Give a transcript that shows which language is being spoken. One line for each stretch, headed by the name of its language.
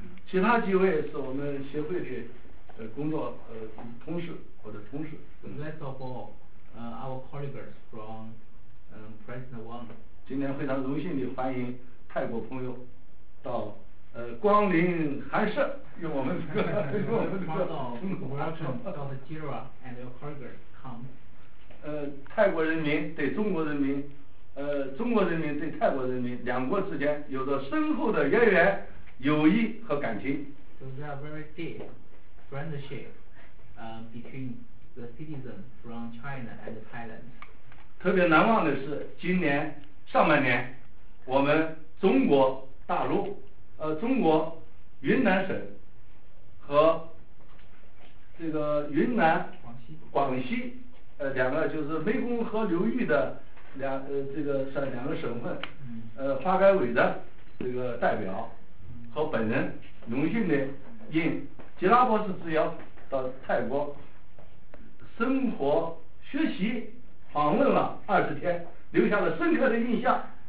Chinese: 其他几位是我们协会的工作同事或者同事。
English: Rest of all, our colleagues from President Wang.
Chinese: 今天非常荣幸地欢迎泰国朋友到。光临寒舍，用我们这个，
English: Welcome, Dr. Jira and your colleagues come.
Chinese: 泰国人民对中国人民，中国人民对泰国人民，两国之间有着深厚的渊源、友谊和感情。
English: So there are very deep friendship, between the citizens from China and Thailand.
Chinese: 特别难忘的是，今年上半年，我们中国大陆。中国云南省和这个云南广西两个就是湄公河流域的两个省份，发改委的这个代表和本人荣幸的应吉拉博士之邀到泰国生活学习访问了20天，留下了深刻的印象。